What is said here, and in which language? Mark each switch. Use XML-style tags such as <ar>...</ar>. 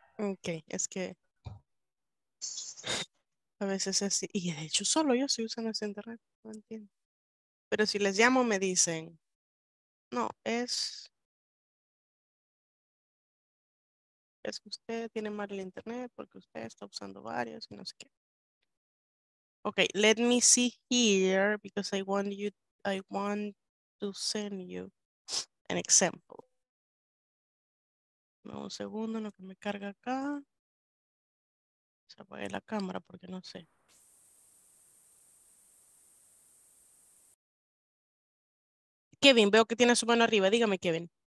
<es>Ok, es que a veces es así. Y de hecho, solo yo estoy usando ese internet. No entiendo. Pero si les llamo, me dicen. No, es. Es que usted tiene mal el internet porque usted está usando varios y no sé qué.</es> <en>Ok, let me see here because I want to send you an example.</en> <es>No, un segundo, no, que me carga acá. Se apague la cámara porque no sé. Kevin, veo que tiene su mano arriba. Dígame, Kevin.</es>